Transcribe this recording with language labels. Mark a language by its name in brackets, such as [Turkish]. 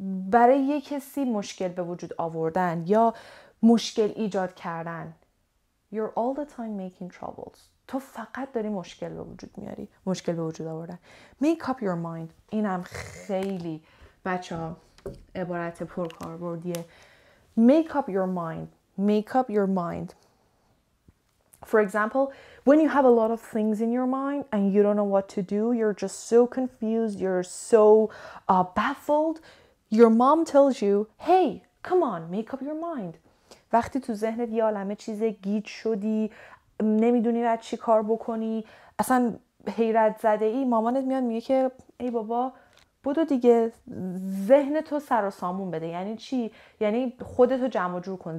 [Persian] برای یه کسی مشکل به وجود آوردن یا مشکل ایجاد کردن. [English] You're all the time making troubles. [Persian] تو فقط داری مشکل به وجود میاری. مشکل به وجود آوردن. Make up your mind. اینم خیلی بچه ها عبارت پرکاربردیه. [English] Make up your mind. Make up your mind. For example, when you have a lot of things in your mind and you don't know what to do, you're just so confused, you're so baffled, your mom tells you, hey, come on, make up your mind. [Persian] وقتی تو ذهنت یه عالمه چیز گیج شدی، نمیدونی باید چی کار بکنی، اصلا حیرت زده ای، مامانت میاد میگه که ای بابا، بودو دیگه ذهنتو سر و سامون بده. یعنی چی؟ یعنی خودتو جمع و جور کن.